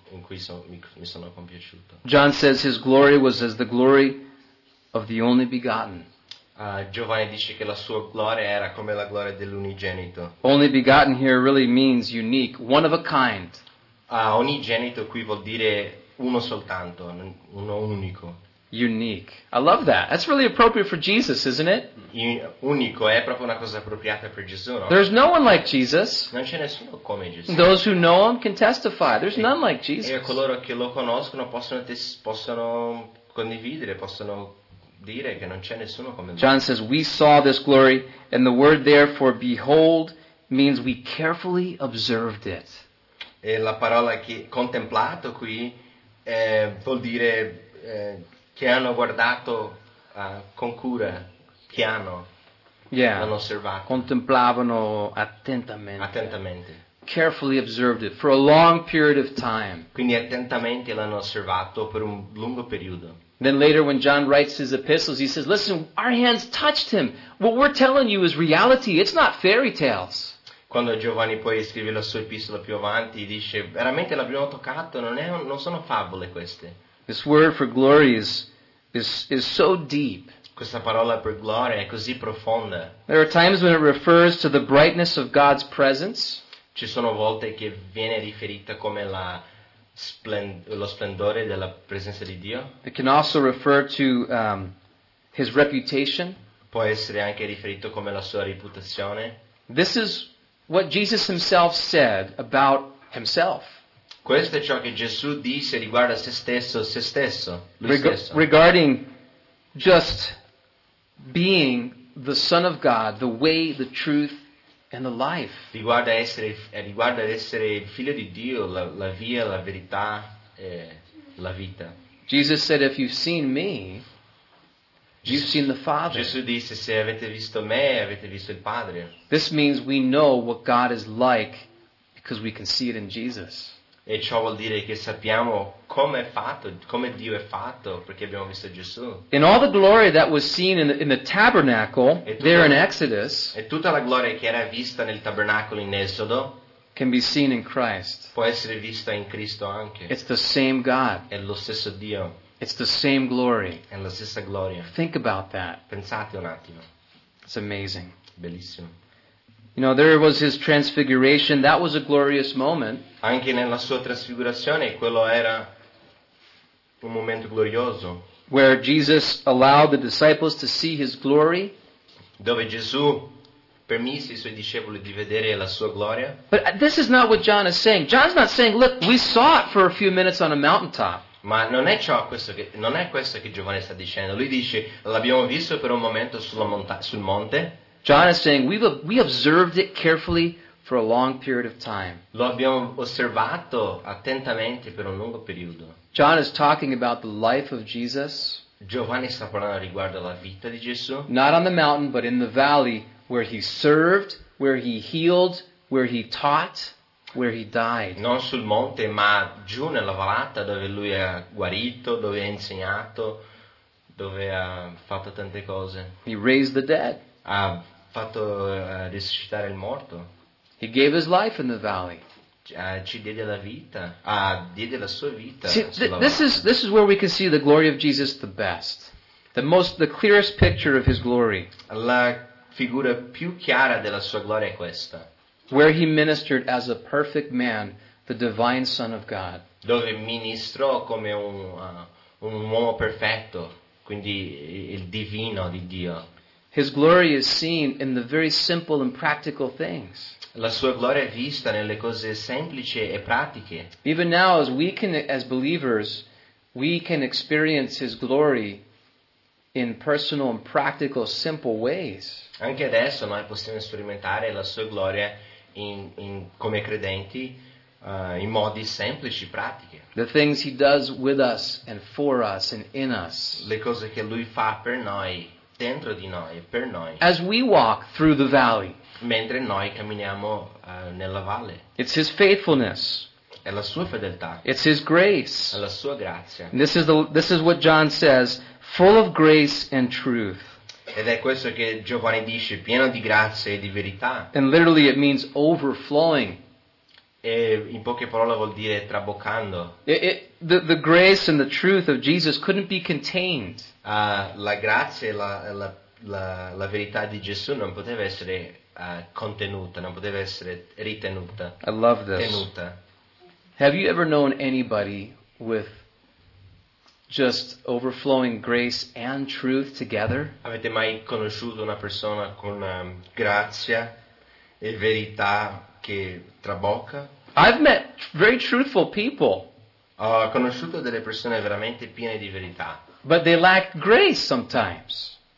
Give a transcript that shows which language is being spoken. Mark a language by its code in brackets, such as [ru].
[it] In cui mi sono compiaciuto. [en] John says his glory was as the glory of the only begotten. [it] Giovanni dice che la sua gloria era come la gloria dell'unigenito. [en] Only begotten here really means unique, one of a kind. [it] Unigenito qui vuol dire uno soltanto, uno unico. [en] Unique. I love that. That's really appropriate for Jesus, isn't it? [it] Unico è proprio una cosa appropriata per Gesù, no? [en] There's no one like Jesus. [it] Non c'è nessuno come Gesù. [en] Those who know him can testify. There's none like Jesus. [it] E coloro che lo conoscono possono condividere, possono dire che non c'è nessuno come lui. [en] John says, "We saw this glory," and the word there for behold means we carefully observed it. [it] E la parola che contemplato qui vuol dire che hanno guardato con cura, piano, yeah, hanno osservato. Contemplavano attentamente. Attentamente. [en] Carefully observed it for a long period of time. [it] Quindi attentamente l'hanno osservato per un lungo periodo. [en] Then later when John writes his epistles, he says, "Listen, our hands touched him. What we're telling you is reality. It's not fairy tales." [it] Quando Giovanni poi scrive la sua epistola più avanti, dice, veramente l'abbiamo toccato, non sono favole queste. [en] This word for glory is so deep. [it] Questa parola per gloria è così profonda. [en] There are times when it refers to the brightness of God's presence. [it] Ci sono volte che viene riferita come lo splendore della presenza di Dio. [en] It can also refer to his reputation. [it] Può essere anche riferito come la sua reputazione. [en] This is what Jesus himself said about himself. [it] Questo è ciò che Gesù disse riguardo a se stesso. [en] Regarding just being the Son of God, the way, the truth, and the life. [it] Riguardo essere il figlio di Dio, la via, la verità e la vita. [en] Jesus said, "If you've seen me, you've seen the Father." [it] Gesù disse, se avete visto me, avete visto il Padre. [en] This means we know what God is like because we can see it in Jesus. [it] E ciò vuol dire che sappiamo come Dio è fatto perché abbiamo visto Gesù. [en] In all the glory that was seen in the tabernacle there in Exodus, [it] e tutta la gloria che era vista nel tabernacolo in Esodo, [en] can be seen in Christ. [it] Può essere vista in Cristo anche. [en] It's the same God. [it] È lo stesso Dio. [en] It's the same glory. [it] È la stessa gloria. [en] Think about that. [it] Pensate un attimo. [en] It's amazing. [it] Bellissimo. [en] You know, there was his transfiguration. That was a glorious moment. [it] Anche nella sua trasfigurazione, quello era un momento glorioso. [en] Where Jesus allowed the disciples to see his glory. [it] Dove Gesù permise ai suoi discepoli di vedere la sua gloria. [en] But this is not what John is saying. John's not saying, "Look, we saw it for a few minutes on a mountaintop." [it] Ma non è questo che Giovanni sta dicendo. Lui dice, l'abbiamo visto per un momento sul monte. [en] John is saying, we observed it carefully for a long period of time. [it] Lo abbiamo osservato attentamente per un lungo periodo. [en] John is talking about the life of Jesus. [it] Giovanni sta parlando riguardo alla vita di Gesù. [en] Not on the mountain, but in the valley where he served, where he healed, where he taught, where he died. [it] Non sul monte, ma giù nella vallata dove lui ha guarito, dove ha insegnato, dove ha fatto tante cose. [en] He raised the dead. [it] Ha fatto risuscitare il morto. [en] He gave his life in the valley. [it] Ci diede la vita. Diede la sua vita. [en] See, this is where we can see the glory of Jesus the best. The clearest picture of his glory. [it] La figura più chiara della sua gloria è questa. [en] Where he ministered as a perfect man, the divine Son of God. [it] Dove ministrò come un uomo perfetto, quindi il divino di Dio. [en] His glory is seen in the very simple and practical things. [it] La sua gloria è vista nelle cose semplici e pratiche. [en] Even now, as believers, we can experience his glory in personal and practical, simple ways. [it] Anche adesso noi possiamo sperimentare la sua gloria come credenti in modi semplici, pratiche. [en] The things he does with us and for us and in us. [it] Le cose che lui fa per noi, dentro di noi, per noi. [en] As we walk through the valley. [it] Mentre noi camminiamo nella valle. [en] It's his faithfulness. [it] È la sua fedeltà. [en] It's his grace. [it] È la sua grazia. [en] And this is what John says, full of grace and truth. [it] Ed è questo che Giovanni dice, pieno di grazia e di verità. [en] And literally it means overflowing. [it] E in poche parole vuol dire traboccando. [en] The grace and the truth of Jesus couldn't be contained. [it] La grazia e la verità di Gesù non poteva essere contenuta, non poteva essere ritenuta. [en] I love this. [it] Tenuta. [en] Have you ever known anybody with just overflowing grace and truth together? [it] Avete mai conosciuto una persona con grazia e verità che trabocca? [en] I've met very truthful people. [it] Ho conosciuto delle persone veramente piene di verità. [en] But they lack grace sometimes.